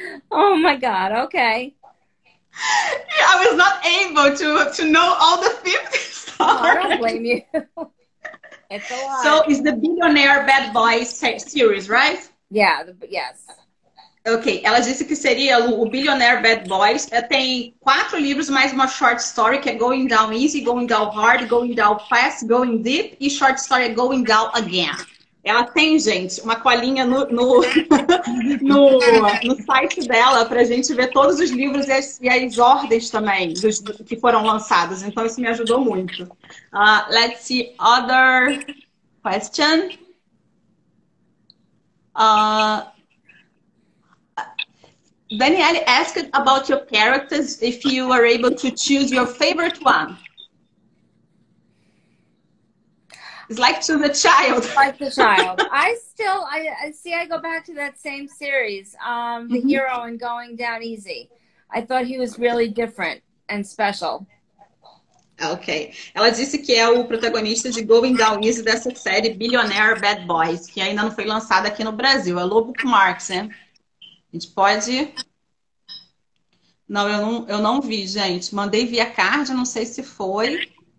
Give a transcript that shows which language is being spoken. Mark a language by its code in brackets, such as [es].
[en] Oh my God. Okay. Yeah, I was not able to know all the 50 stars. Oh, I don't blame you. It's a lot. So it's the billionaire bad boys series, right? Yeah, yes. [pt] Okay, ela disse que seria o Billionaire Bad Boys. Tem 4 livros, mais uma short story, que é Going Down Easy, Going Down Hard, Going Down Fast, Going Deep, e short story é Going Down Again. Ela tem, gente, uma colinha no site dela pra gente ver todos os livros e as ordens também que foram lançados. Então, isso me ajudou muito. [en] Let's see other question. Danielle asked about your characters, if you are able to choose your favorite one. It's like to the child. Like the child. I go back to that same series, the mm-hmm. hero in Going Down Easy. I thought he was really different and special. Ok. [pt] Ela disse que é o protagonista de Going Down Easy, dessa série Billionaire Bad Boys, que ainda não foi lançada aqui no Brasil. É Lobo com Marx, né? A gente pode... Não, eu não vi, gente. Mandei via card, não sei se foi.